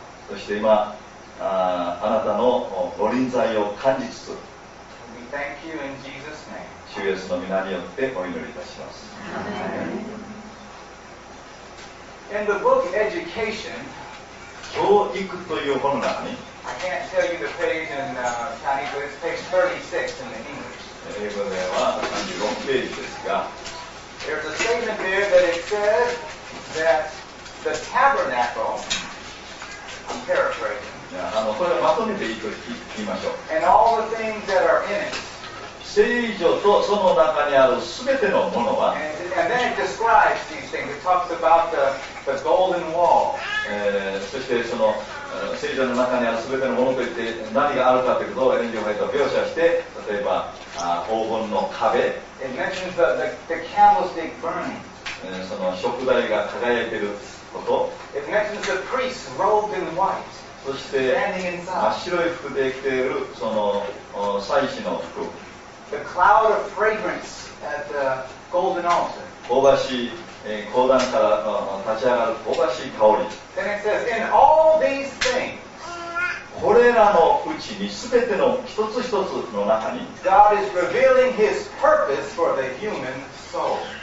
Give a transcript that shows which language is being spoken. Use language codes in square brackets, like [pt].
[ja] そして今 あなたの御臨在を感じつつ [en] We thank you in Jesus name. [ja] 主イエスの御名によってお祈りいたします。 [en] In the book Education [ja] 教育という本の中に [en] I can't tell you the page in Chinese but it's page 36 in the English. [ja] 英語では36ページですが、 [en] There's a statement there that it says that the tabernacle, I'm paraphrasing, [ja] これをまとめて言いましょう。 [en] And all the things that are in it, [ja] 聖所とその中にあるすべてのものは、 [en] And then it describes these things. It talks about the golden wall. [ja] そしてその聖所の中にあるすべてのものといって何があるかということをエレン・ジー・ホワイトは描写して、例えば黄金の壁、 [en] the candlestick burning. [ja] その燭台が輝いていること、 [en] It mentions the priests robed in white, [ja] そして [en] standing inside. [ja] 真っ白い服で着ているその祭司の服、 [en] the cloud of fragrance at the golden altar. [ja] 香ばしい高壇から立ち上がる香ばしい香り。 [en] Then it says, in all these things, [ja] これらのうちに全ての一つ一つの中に [en] God is revealing his purpose for the human soul.